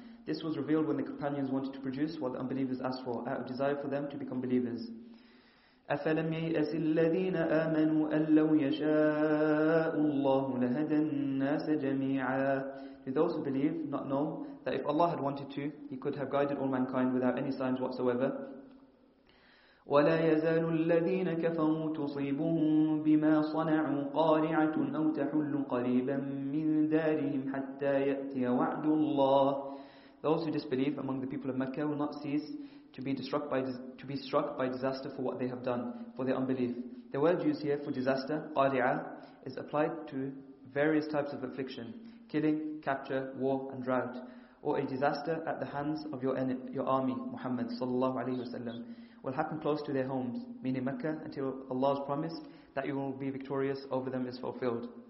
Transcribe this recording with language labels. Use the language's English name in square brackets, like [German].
[English] This was revealed when the companions wanted to produce what the unbelievers asked for, out of desire for them to become believers. [Arabic] أَفَلَمْ يَيْأَسِ الَّذِينَ آمَنُوا أَنْ لَوْ يَشَاءُ اللَّهُ لَهَدَى النَّاسَ جَمِيعًا. [English] Do those who believe not know that if Allah had wanted to, He could have guided all mankind without any signs whatsoever? [Arabic] ولا يزال الذين كفروا تصيبهم بما صنعوا قارعة أو تحل قريبا من دارهم حتى يأتي وعد الله. [English] Those who disbelieve among the people of Mecca will not cease to be struck by disaster for what they have done, for their unbelief. The word used here for disaster, qari'ah, is applied to various types of affliction, killing, capture, war, and drought, or a disaster at the hands of your army, Muhammad sallallahu alaihi wasallam, will happen close to their homes, meaning Mecca, until Allah's promise that you will be victorious over them is fulfilled.